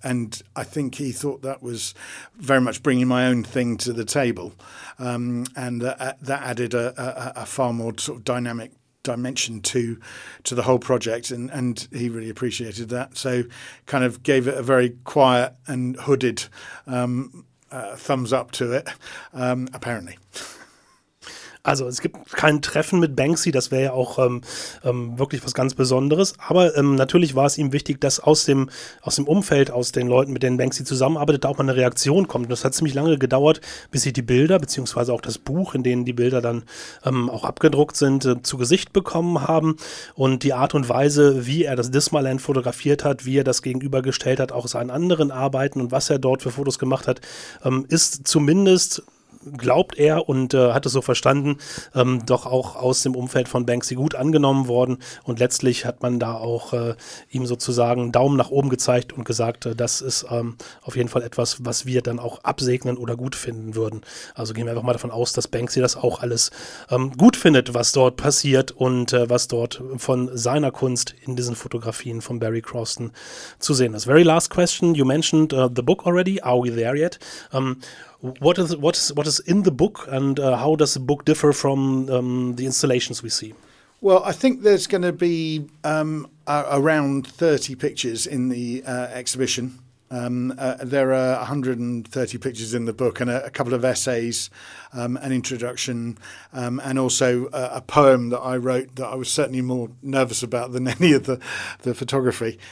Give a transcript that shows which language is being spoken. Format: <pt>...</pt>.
<en>And I think he thought that was very much bringing my own thing to the table, and that added a far more sort of dynamic dimension to the whole project, and he really appreciated that, so kind of gave it a very quiet and hooded thumbs up to it, apparently.</en> <de>Also es gibt kein Treffen mit Banksy, das wäre ja auch wirklich was ganz Besonderes. Aber natürlich war es ihm wichtig, dass aus dem Umfeld, aus den Leuten, mit denen Banksy zusammenarbeitet, da auch mal eine Reaktion kommt. Und das hat ziemlich lange gedauert, bis sie die Bilder, beziehungsweise auch das Buch, in denen die Bilder dann auch abgedruckt sind, zu Gesicht bekommen haben. Und die Art und Weise, wie er das Dismalend fotografiert hat, wie er das gegenübergestellt hat, auch seinen anderen Arbeiten und was er dort für Fotos gemacht hat, ist zumindest, glaubt er und hat es so verstanden, doch auch aus dem Umfeld von Banksy gut angenommen worden. Und letztlich hat man da auch ihm sozusagen Daumen nach oben gezeigt und gesagt, das ist auf jeden Fall etwas, was wir dann auch absegnen oder gut finden würden. Also gehen wir einfach mal davon aus, dass Banksy das auch alles gut findet, was dort passiert und was dort von seiner Kunst in diesen Fotografien von Barry Crosston zu sehen ist.</de> <en>Very last question. You mentioned the book already. Are we there yet? What is in the book, and how does the book differ from the installations we see? Well, I think there's going to be around 30 pictures in the exhibition. There are 130 pictures in the book, and a couple of essays, an introduction, and also a poem that I wrote that I was certainly more nervous about than any of the photography.</en>